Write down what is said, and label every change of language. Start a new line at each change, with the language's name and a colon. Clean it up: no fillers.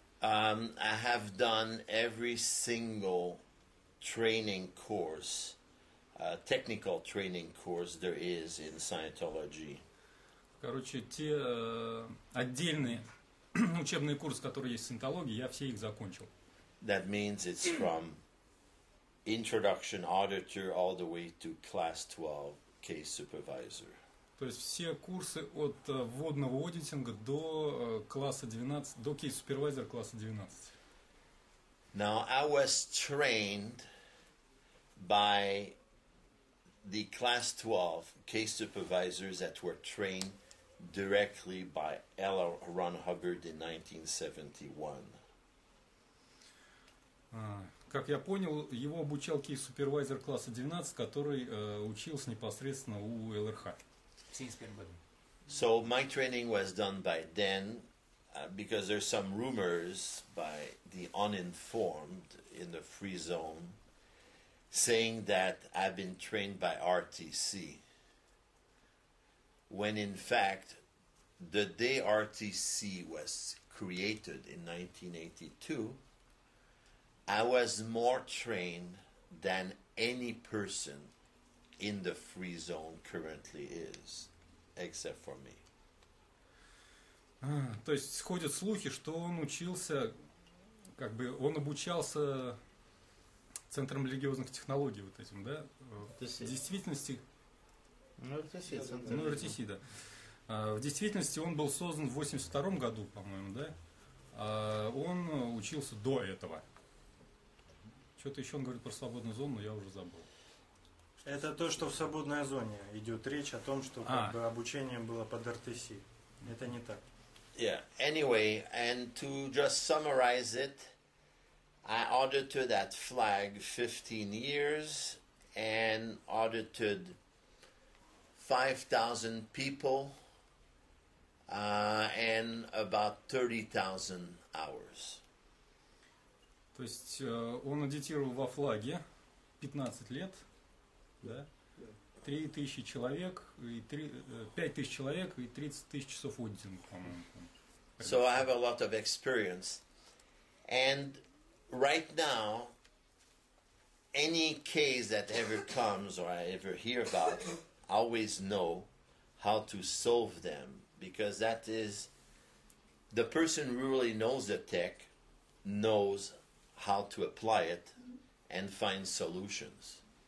English: I have done every single training course. Technical training course there is in Scientology.
Russian: Короче, те отдельные учебные курсы, которые есть в саентологии, я все их закончил.
English: That means it's from introduction auditor all the way to class 12 case supervisor.
Russian: То есть все курсы от вводного аудитинга до класса 12, до case supervisor класса 12.
English: Now I was trained by the class 12 case supervisors that were trained directly by L. Ron Hubbard in 1971.
Russian: Как я понял, его обучал кейс-супервайзер класса 12, который учился непосредственно у ЛРХ.
English: So my training was done by then, because there's some rumors by the uninformed in the free zone, saying that I've been trained by RTC, when in fact, the day RTC was created in 1982, I was more trained than any person in the free zone currently is, except for me.
Russian: То есть ходят слухи, что он учился, как бы он обучался Центром религиозных технологий, вот этим, да? RTC. В действительности... Ну, РТС, Центр. Ну, РТС, да. В действительности он был создан в 82-м году, по-моему, да? Он учился до этого. Что-то еще он говорит про свободную зону, но я уже забыл. Это то, что в свободной зоне идет речь о том, что как бы обучение было под РТС. Это не так.
English: Yeah, anyway, and to just summarize it, I audited at FLAG 15 years and audited 5,000 people and about 30,000 hours.
Russian: То есть он аудитировал во ФЛАГе 15 лет, да? 3,000 человек и 5,000 человек и 30,000 часов аудитинга, по-моему.
English: So I have a lot of experience. And right now, any case that ever comes or I ever hear about, I always know how to solve them, because that is the person who really knows the tech knows how to apply it and find solutions.